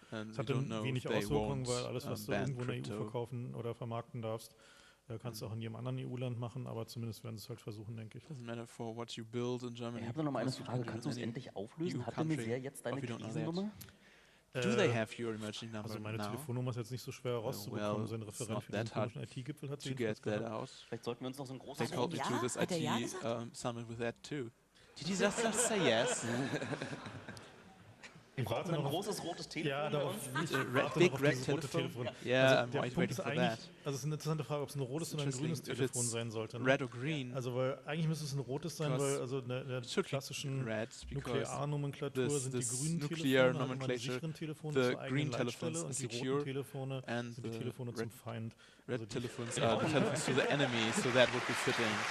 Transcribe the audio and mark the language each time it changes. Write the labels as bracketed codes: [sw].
[de] Es hat wenig Auswirkungen, weil alles, was du irgendwo in der EU verkaufen oder vermarkten darfst, kannst du auch in jedem anderen EU-Land machen, aber zumindest werden sie es halt versuchen, denke ich. Ich habe noch mal eine Frage, kannst du es endlich auflösen? Hat der Messier jetzt deine Krisennummer? [en] Do they have your emergency number? [de] Also meine Telefonnummer ist jetzt nicht so schwer herauszubekommen. Well, sein Referent für den komischen IT-Gipfel hat sie jetzt gehabt. Vielleicht sollten wir uns noch so ein großes Problem machen. [en] They called me to this IT-Summit with that too. Did you just say yes? [de] Ich brauche ein großes rotes Telefon. Ja, darauf Telefon. Also es ist eine interessante Frage, ob es ein rotes oder ein grünes Telefon sein sollte. [en] Red or green. [de] Also weil eigentlich müsste es ein rotes sein, weil also in der klassischen Nuklear-Nomenklatur sind die grünen Telefone halt die sicheren Telefone zur eigenen Leitstelle und die roten Telefone sind die Telefone zum Feind. [en] Red telephones are the telephones to the enemy, so that would be fitting.